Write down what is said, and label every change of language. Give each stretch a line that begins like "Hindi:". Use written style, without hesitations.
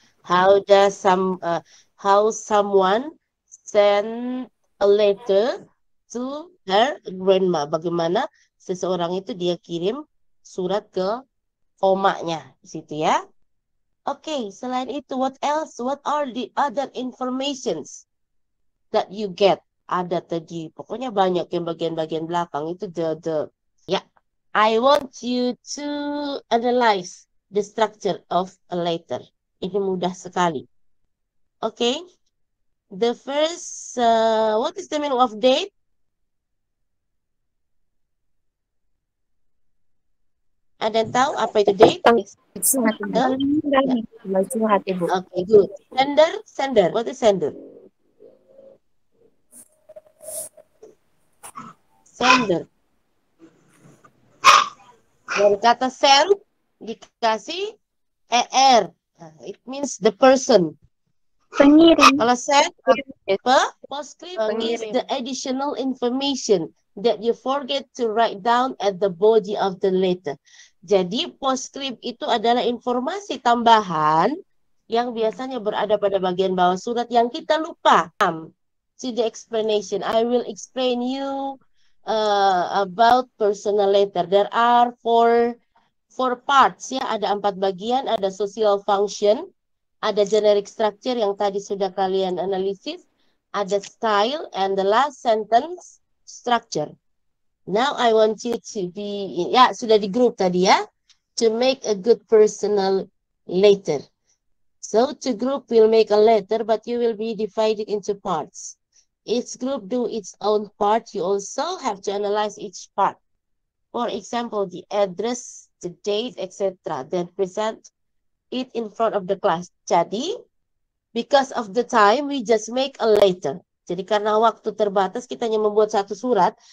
English: How does how someone send a letter to her grandma?
Indonesian: Bagaimana seseorang itu dia kirim surat ke omaknya, situ ya.
English: Okay,
Indonesian: selain itu,
English: what else? What are the other informations that you get?
Indonesian: Ada tadi, pokoknya banyak yang bagian-bagian belakang itu the.
English: I want you to analyze the structure of a letter.
Indonesian: Ini mudah sekali.
English: Okay. The first, what is the meaning of date?
Indonesian: Ada yang tahu apa itu date? Surat.
English: Okay, good. Sender, sender. What is sender? Sender.
Indonesian: Dari kata send dikasih er,
English: it means the person.
Indonesian: Pengirim. Kalau send apa?
English: Postscript is the additional information that you forget to write down at the body of the letter.
Indonesian: Jadi postscript itu adalah informasi tambahan yang biasanya berada pada bagian bawah surat yang kita lupa.
English: See the explanation. I will explain you. About personal letter, there are four parts ya.
Indonesian: Ada empat bagian, ada social function, ada generic structure yang tadi sudah kalian analisis, ada style,
English: and the last sentence structure. Now I want you to be
Indonesian: ya sudah di grup tadi ya,
English: to make a good personal letter. So to group will make a letter, but you will be divided into parts. Each group do its own part. You also have to analyze each part. For example, the address, the date, etc. Then present it in front of the class. Jadi, because of the time, we just make a letter.
Indonesian: Jadi, karena waktu terbatas, kita hanya membuat satu surat.